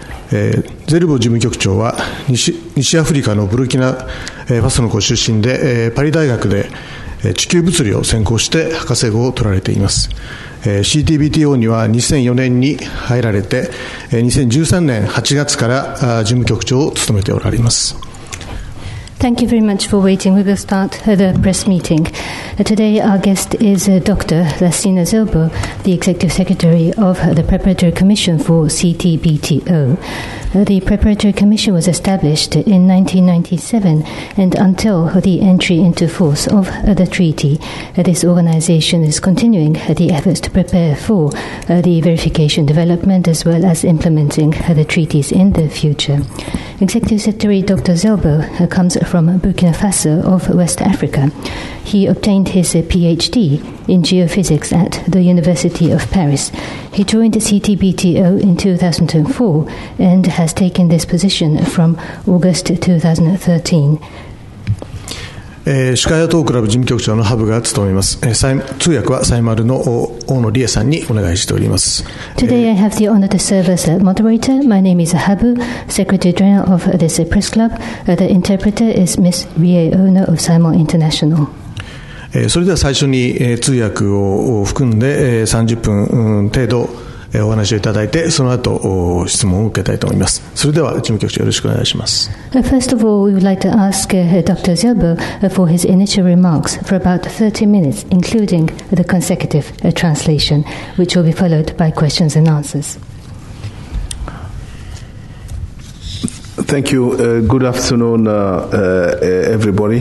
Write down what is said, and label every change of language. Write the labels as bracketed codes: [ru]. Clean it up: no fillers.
[ja] ゼルボ事務局長は 西アフリカのブルキナファソのご出身で、パリ大学で地球物理を専攻して博士号を取られています。 CTBTO には2004年に入られて、2013年8月から事務局長を務めておられます。 [en] Thank you very much for waiting. We will start the press meeting. Today, our guest is Dr. Lassina Zilbo, the Executive Secretary of the Preparatory Commission for CTBTO. The Preparatory Commission was established in 1997, and until the entry into force of the treaty, this organization is continuing the efforts to prepare for the verification development as well as implementing the treaties in the future. Executive Secretary Dr. Zilbo comes from Burkina Faso of West Africa. He obtained his PhD in geophysics at the University of Paris. He joined CTBTO in 2004 and has taken this position from August 2013. [ja] シカヤトークラブ事務局長のハブが務めます。通訳はサイマルの大野理恵さんにお願いしております。 [en] Today I have the honor to serve as a moderator. My name is Habu, Secretary General of this press club. The interpreter is Ms. Rie Ono of Simon International. [ja] それでは最初に通訳を含んで30分程度お話をいただいて、その後質問を受けたいと思います。それでは事務局長、よろしくお願いします。 [en] First of all, we would like to ask Dr. Zilbo for his initial remarks for about 30 minutes, including the consecutive translation, which will be followed by questions and answers. Thank you. Good afternoon, everybody.